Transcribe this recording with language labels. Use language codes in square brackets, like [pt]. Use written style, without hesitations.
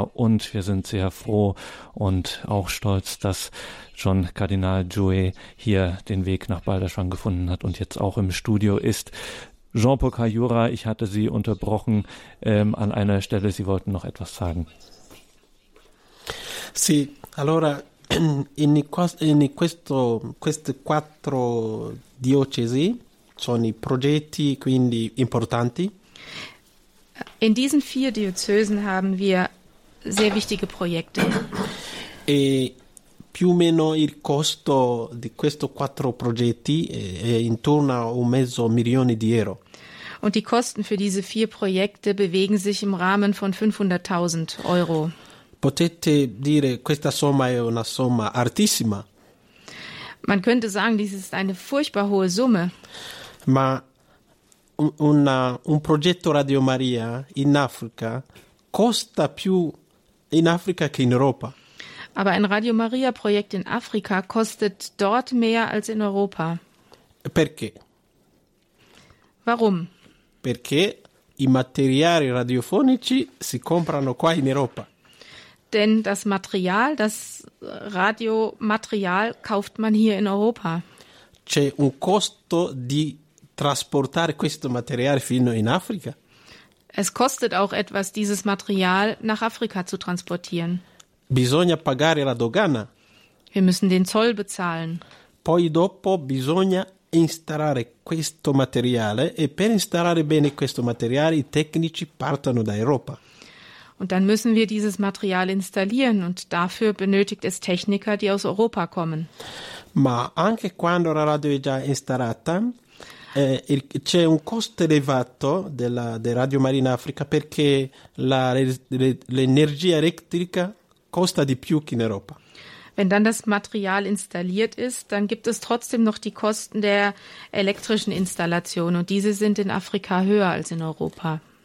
[de] Und wir sind sehr froh und auch stolz, dass schon Kardinal Jouet hier den Weg nach Balderschwang gefunden hat und jetzt auch im Studio ist. Jean-Paul Cajura, ich hatte Sie unterbrochen an einer Stelle, Sie wollten noch etwas sagen. Sie. [it] Allora, in queste quattro diocesi sono i progetti quindi importanti. [de] In diesen vier Diözesen haben wir sehr wichtige Projekte. [it] E più o meno il costo di questi quattro progetti è intorno a un mezzo milione di euro. [de] Und die Kosten für diese vier Projekte bewegen sich im Rahmen von 500.000 Euro. [it] Potete dire questa somma è una somma altissima. [de] Man könnte sagen, dies ist eine furchtbar hohe Summe. [it] Ma un progetto Radio Maria in Africa costa più in Africa che in Europa. [de] Aber ein Radio Maria-Projekt in Afrika kostet dort mehr als in Europa. [it] Perché? [de] Warum? [it] Perché i materiali radiofonici si comprano qua in Europa. [de] Denn das Material, das Radiomaterial, kauft man hier in Europa. [it] C'è un costo di trasportare questo materiale fino in Africa? [de] Es kostet auch etwas, dieses Material nach Afrika zu transportieren. [it] Bisogna pagare la dogana. [de] Wir müssen den Zoll bezahlen. [it] Poi dopo bisogna installare questo materiale e per installare bene questo materiale i tecnici partono da Europa. [de] Und dann müssen wir dieses Material installieren und dafür benötigt es Techniker, die aus Europa kommen. [it] Ma anche quando la radio è già installata, c'è un costo elevato della del Radio Maria in Africa perché l'energia elettrica costa di più che in Europa. [de] Wenn dann das Material installiert ist, dann gibt es trotzdem noch die Kosten der elektrischen Installation und diese sind in Afrika höher als in Europa.